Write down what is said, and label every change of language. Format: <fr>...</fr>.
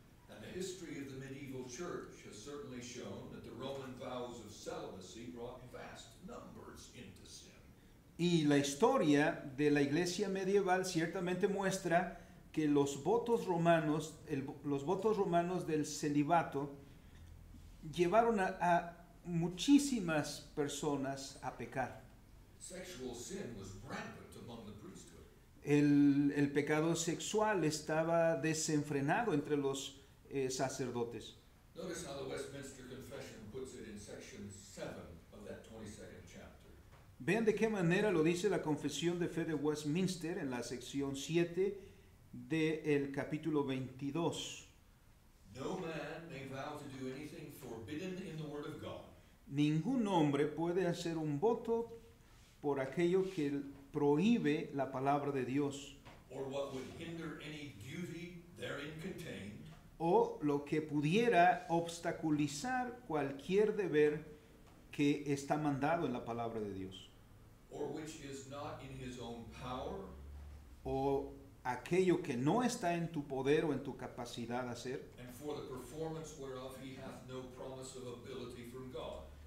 <en>And the history of the medieval church has certainly shown that the Roman vows of celibacy brought vast numbers into sin.</en> <es>Y la historia de la iglesia medieval ciertamente muestra que los votos romanos del celibato llevaron a muchísimas personas a pecar.</es> <en>Sexual sin was rampant among the priesthood.</en> <es>El pecado sexual estaba desenfrenado entre los sacerdotes.</es> <en>Notice how the Westminster Confession puts it in section 7 of that 22nd chapter.</en> <es>Vean de qué manera lo dice la Confesión de Fe de Westminster en la sección 7 del capítulo 22.</es> <en>No man may vow to do anything forbidden in the word of God.</en> <es>Ningún hombre puede hacer un voto por aquello que prohíbe la palabra de Dios,</es> <en>or what would hinder any duty therein contained,</en> <es>o lo que pudiera obstaculizar cualquier deber que está mandado en la palabra de Dios,</es> <en>or which is not in his own power,</en> <es>o aquello que no está en tu poder o en tu capacidad de hacer,</es> <en>and for the performance whereof he hath no promise of ability from God,</en>